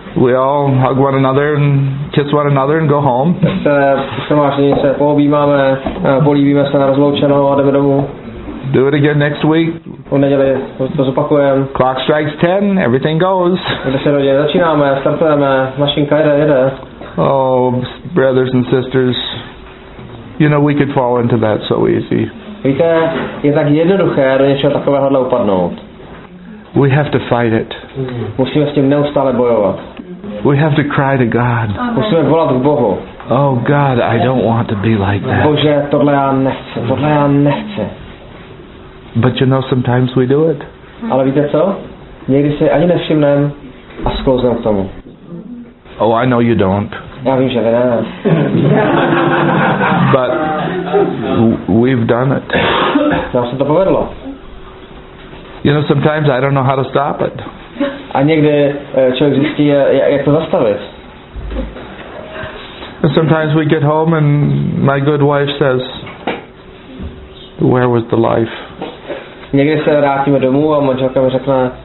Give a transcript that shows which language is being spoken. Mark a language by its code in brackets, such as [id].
[en] We all hug one another and kiss one another and go home. [cs] Tak se vlastně se poobjímáme, políbíme se na rozloučenou a jdeme domů. [en] Do it again next week. [cs] U neděli to zopakujeme. [en] Clock strikes 10, everything goes. [cs] V 10 hodin začínáme, startujeme, mašinka jede. [en] Oh, brothers and sisters, you know we could fall into that so easy. [cs] Víte, je tak jednoduché do něčeho takového upadnout. [en] We have to fight it. [cs] Musíme s tím neustále bojovat. [en] We have to cry to God. [cs] Musíme volat k Bohu. [en] Oh God, I don't want to be like that. [cs] Bože, tohle já nechci. [en] But you know, sometimes we do it. [cs] Ale víte co? Někdy si ani nevšimnem a sklouznem k tomu. [en] Oh, I know you don't. [cs] Já vím, že ne. [en] But we've done it. [cs] Nám se to povedlo. [en] You know, sometimes I don't know how to stop it. [cs] A někdy člověk zjistí, jak to zastavit. [en] And sometimes we get home and my good wife says, where was the life? [cs] někdy se vrátíme domů a manželka mi řekne,